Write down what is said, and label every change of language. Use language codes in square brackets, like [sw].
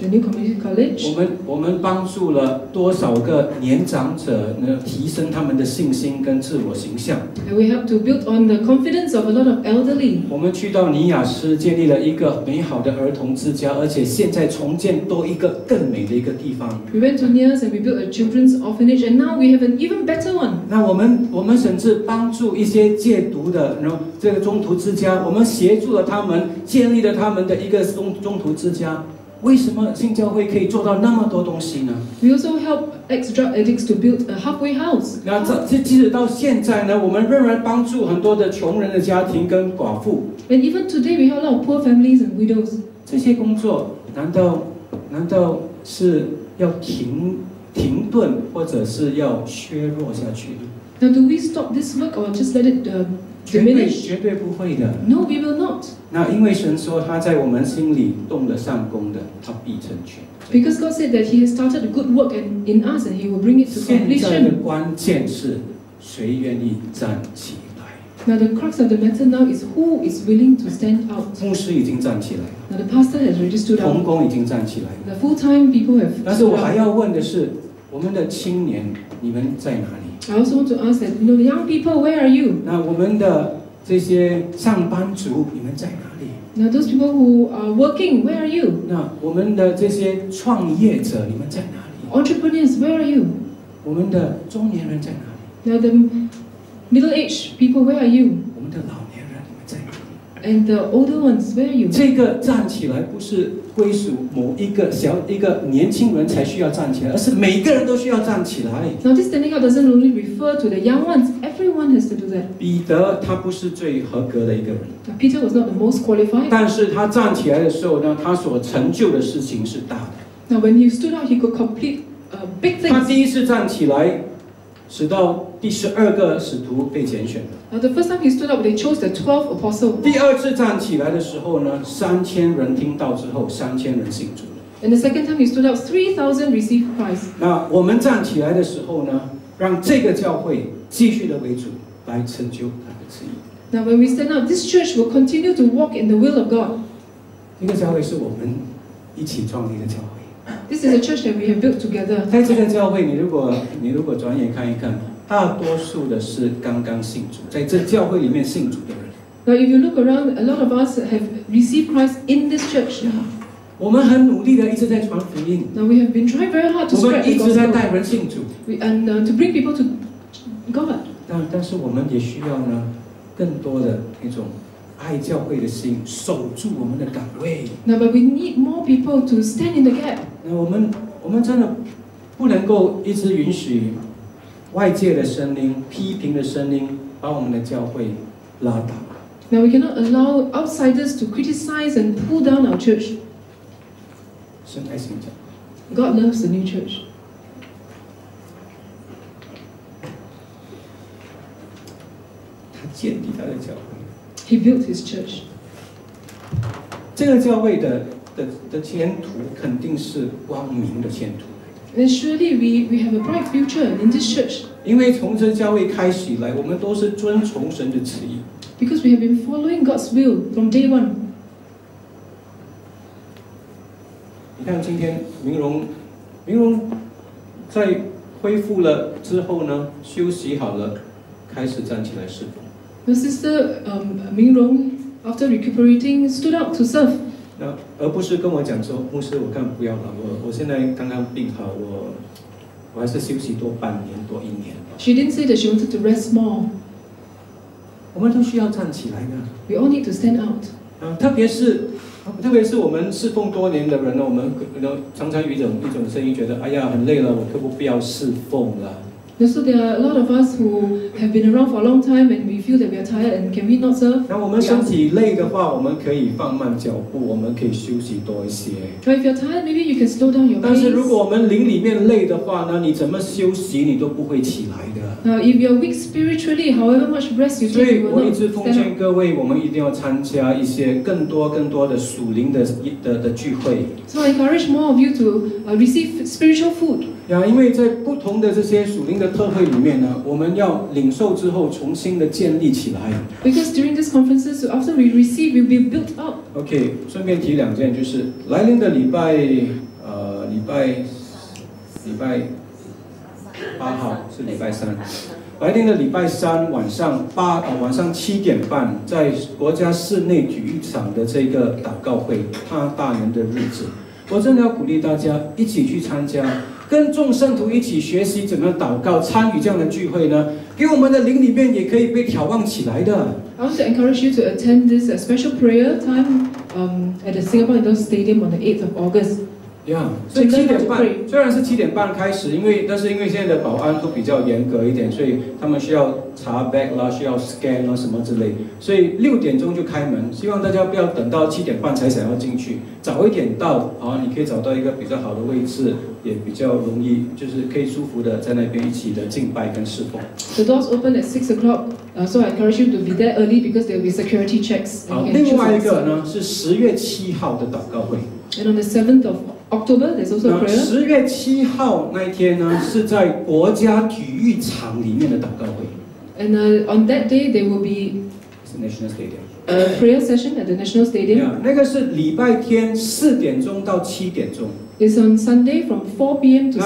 [en] The new community college. [zh] 我们帮助了多少个年长者呢？提升他们的信心跟自我形象。 [en] And we helped to build on the confidence of a lot of elderly. [zh] 我们去到尼亚斯建立了一个美好的儿童之家，而且现在重建多一个更美的一个地方。 [en] We went to Nias and we built a children's orphanage, and now we have an even better one. [zh] 那我们甚至帮助一些戒毒的，然后这个中途之家，我们协助了他们建立了他们的一个中途之家，为什么新教会可以做到那么多东西呢？ [en] We also help ex-drug addicts to build a halfway house. [zh] 那即使到现在呢，我们仍然帮助很多的穷人的家庭跟寡妇。 [en] And even today, we help a lot of poor families and widows. [zh] 这些工作难道是要停顿，或者是要削弱下去呢？ [en] Now, do we stop this work or just let it [zh] 绝对不会的。 [en] No, we will not. [zh] 那因为神说他在我们心里动了善功的，他必成全。 [en] Because God said that He has started a good work in us, and He will bring it to completion. [zh] 现在的关键是谁愿意站起来。 [en] Now the crux of the matter now is who is willing to stand out. [zh] 牧师已经站起来了。 [en] Now the pastor has already stood up. [zh] 同工已经站起来了。 [en] The full-time people have stood up. [zh] 但是我还要问的是，我们的青年，你们在哪里？ [en] I also want to ask that, you know, young people, where are you? [zh] 那我们的这些上班族，你们在哪里？ [en] Now those people who are working, where are you? [zh] 那我们的这些创业者，你们在哪里？ [en] Entrepreneurs, where are you? [zh] 我们的中年人在哪里？ [en] Now the middle-aged people, where are you? [zh] 我们的老年人，你们在哪里？ [en] And the older ones, where are you? [zh] 这个站起来不是归属某一个小一个年轻人才需要站起来，而是每个人都需要站起来。 [en] Now this standing up doesn't only refer to the young ones. Everyone has to do that. [zh] 彼得他不是最合格的一个人。 [en] Peter was not the most qualified. [zh] 但是他站起来的时候呢，他所成就的事情是大的。 [en] Now when he stood up, he could complete a big thing. [zh] 他第一次站起来，使到第十二个使徒被拣选了。 [en] Now the first time he stood up, they chose the 12 apostles. [zh] 第二次站起来的时候呢，3000人听到之后，3000人信主了。 [en] And the second time he stood up, 3000 received Christ. [zh] 那我们站起来的时候呢，让这个教会继续的为主来成就他的旨意。 [en] Now when we stand up, this church will continue to walk in the will of God. [zh] 这个教会是我们一起创立的教会。 [en] This is a church that we have built together. [zh] 在这个教会，你如果转眼看一看，大多数的是刚刚信主，在这教会里面信主的人。 [en] Now, if you look around, a lot of us have received Christ in this church. [zh] 我们很努力的一直在传福音。 [en] Now, we have been trying very hard to spread the gospel. [zh] 我们一直在带人信主。 [en] To bring people to God. [zh] 但是我们也需要呢，更多的那种爱教会的心，守住我们的岗位。 [en] Now, but we need more people to stand in the gap. [zh] 那我们真的不能够一直允许外界的声音、批评的声音把我们的教会拉倒。 [en] Now, we cannot allow outsiders to criticize and pull down our church. [zh] 神爱新教。 [en] God loves the new church. [zh] 建立他的教会。 [en] He built his church. [zh] 这个教会 的前途肯定是光明的前途。 [en] And surely we have a bright future in this church. [zh] 因为从这教会开始以来，我们都是遵从神的旨意。 [en] Because we have been following God's will from day one. [zh] 你看今天明荣在恢复了之后呢，休息好了，开始站起来侍奉。 [en] The sister, Mingrong, after recuperating, stood up to serve. [zh] 那而不是跟我讲说，牧师，我看不要了，我现在刚刚病好，我还是休息多半年多一年。 [en] She didn't say that she wanted to rest more. [zh] 我们都需要站起来的。 [en] We all need to stand out. [zh] 特别是我们侍奉多年的人，我们常常有一种声音，觉得哎呀很累了，我可不必要侍奉了。 [en] So there are a lot of us who have been around for a long time, and we feel that we are tired, and can we not serve? [zh] 那我们身体累的话，我们可以放慢脚步，我们可以休息多一些。 [en] So if you're tired, maybe you can slow down your pace. [zh] 但是如果我们灵里面累的话呢，你怎么休息，你都不会起来的。 [en] If you're weak spiritually, however much rest you take, you will not stand up. [zh] 所以我一直奉劝各位，我们一定要参加一些更多的属灵的聚会。 [en] So I encourage more of you to receive spiritual food. [zh] 因为在不同的这些属灵的特会里面呢，我们要领受之后重新的建立起来。 [en] Because during these conferences, after we receive, we'll be built up. [zh] Okay, 顺便提两件，就是来临的礼拜。八号是礼拜三，来临的礼拜三晚上七点半，在国家室内体育场的这个祷告会，他大人的日子，我真的要鼓励大家一起去参加，跟众圣徒一起学习怎么祷告，参与这样的聚会呢，给我们的灵里面也可以被挑旺起来的。 [en] I want to encourage you to attend this special prayer time, at the Singapore Indoor Stadium on the 8th of August. [zh] Yeah, 虽然是七点半开始，但是因为现在的保安都比较严格一点，所以他们需要查 bag 啦，需要 scan 啦什么之类，所以六点钟就开门，希望大家不要等到七点半才想要进去，早一点到啊，你可以找到一个比较好的位置，也比较容易，就是可以舒服的在那边一起的敬拜跟侍奉。 [en] The doors open at 6 o'clock, so I encourage you to be there early because there will be security checks. [zh] 另外一个呢是十月七号的祷告会。 [en] And on the 7th of October, there's also prayer. [zh] 十月七号那一天呢，是在国家体育场里面的祷告会。 [en] And on that day, there will be the national stadium. A prayer session at the national stadium. [zh] Yeah, 那个是礼拜天四点钟到七点钟。 [en] It's on Sunday from 4 p.m. to 7 p.m.